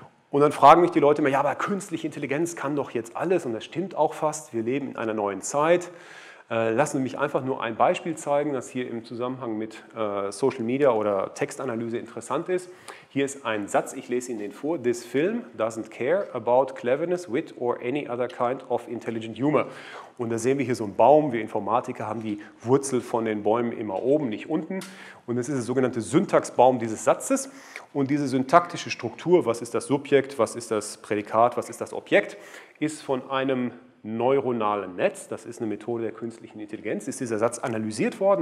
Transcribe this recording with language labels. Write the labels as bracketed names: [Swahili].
[German] Und dann fragen mich die Leute immer, ja, aber künstliche Intelligenz kann doch jetzt alles, und das stimmt auch fast, wir leben in einer neuen Zeit. Lassen Sie mich einfach nur ein Beispiel zeigen, das hier im Zusammenhang mit Social Media oder Textanalyse interessant ist. Hier ist ein Satz, ich lese Ihnen den vor. [English] This film doesn't care about cleverness, wit or any other kind of intelligent humor. [German] Und da sehen wir hier so einen Baum. Wir Informatiker haben die Wurzel von den Bäumen immer oben, nicht unten. Und das ist der sogenannte Syntaxbaum dieses Satzes. Und diese syntaktische Struktur, was ist das Subjekt, was ist das Prädikat, was ist das Objekt, ist von einem neuronalen Netz, das ist eine Methode der künstlichen Intelligenz, ist dieser Satz analysiert worden.